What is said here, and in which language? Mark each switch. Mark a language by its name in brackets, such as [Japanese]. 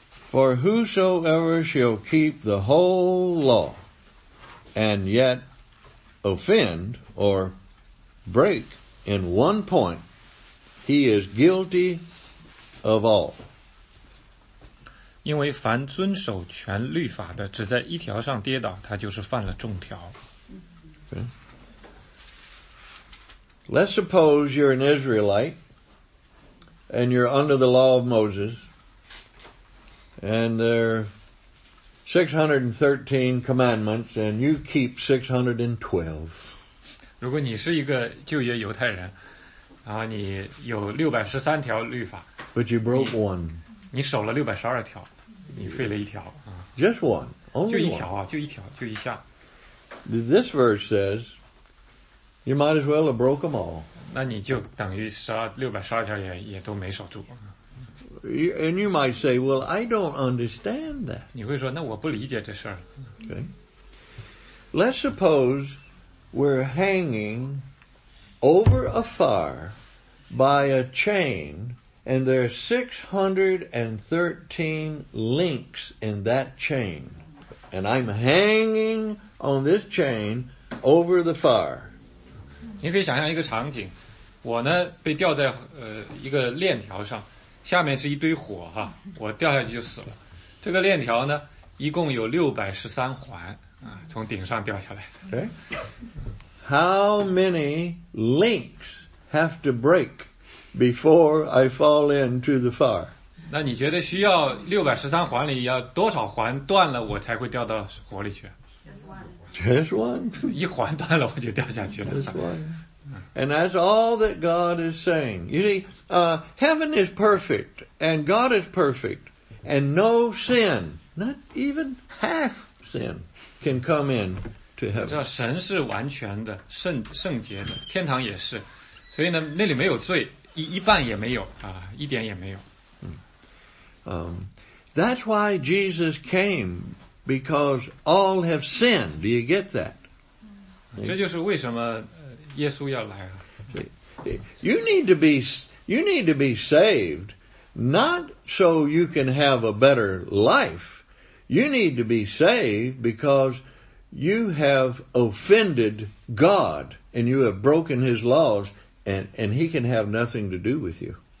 [English] For whosoever shall keep the whole law and yet offend or break in one point, he is guilty of all. [Chinese] 因为凡遵守全律法的，只在一条上跌倒，他就是犯了众条。 [English] Okay. Let's suppose you're an Israelite and you're under the law of Moses, and there are 613 commandments, and you keep 612. [Chinese] 如果你是一个旧约犹太人，然后你有613条律法 [English] ，but you broke one. [Chinese] 你守了612条。你废了一条。 [English] Just one. Only [Chinese] 就一条啊，就一条，就一下。 [English] This verse says, you might as well have broke them all. [Chinese] 那你就等于612条也都没守住。 [English] And you might say, well, I don't understand that. [Chinese] 你会说，那我不理解这事儿。 [English] Okay. Let's suppose we're hanging over a fire by a chain. And there are 613 links in that chain. And I'm hanging on this chain over the fire. [Chinese] 你可以想象一个场景。我呢被吊在一个链条上。下面是一堆火哈。我掉下去就死了。这个链条呢一共有613环从顶上掉下来的。 [English] Okay. How many links have to break? Before I fall into the fire. [Chinese] 那你觉得需要613环里要多少环断了我才会掉到火里去 [English] Just one. [Chinese] 一环断了我就掉下去了 [English] Just one. And that's all that God is saying. You see, heaven is perfect and God is perfect and no sin, not even half sin, can come in to heaven. [Chinese] 你知道神是完全的圣洁的天堂也是所以呢那里没有罪一半也没有一点也没有。 [English] That's why Jesus came, because all have sinned. Do you get that? [Chinese] 这就是为什么耶稣要来啊。 [English] You need to be saved, not so you can have a better life. You need to be saved because you have offended God and you have broken His laws. And he can have nothing to do with you.